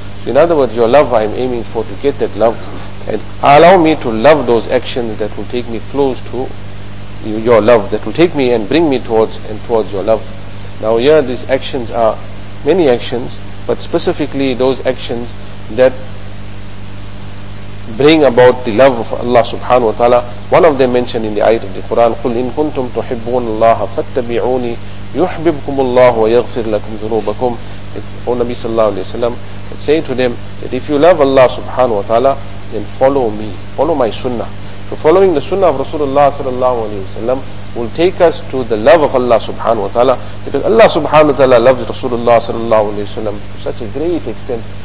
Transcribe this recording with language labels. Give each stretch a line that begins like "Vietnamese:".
English: So in other words, your love I am aiming for, to get that love. And allow me to love those actions that will take me close to your love, that will take me and bring me towards your love. Now here these actions are many actions, but specifically those actions that bring about the love of Allah subhanahu wa ta'ala. One of them mentioned in the ayat of the Quran,
Arabic: قُلْ إِن كُنْتُمْ تُحِبُّونَ اللَّهَ فَاتَّبِعُونِي يُحْبِبْكُمُ اللَّهُ وَيَغْفِرْ لَكُمْ ذُنُوبَكُمْ.
English: O Nabi sallallahu alayhi wa sallam had said to them that if you love Allah subhanahu wa ta'ala, then follow me, follow my sunnah. So following the sunnah of Rasulullah sallallahu alayhi wa sallam will take us to the love of Allah subhanahu wa ta'ala, because Allah subhanahu wa ta'ala loves Rasulullah sallallahu alayhi wa sallam to such a great extent.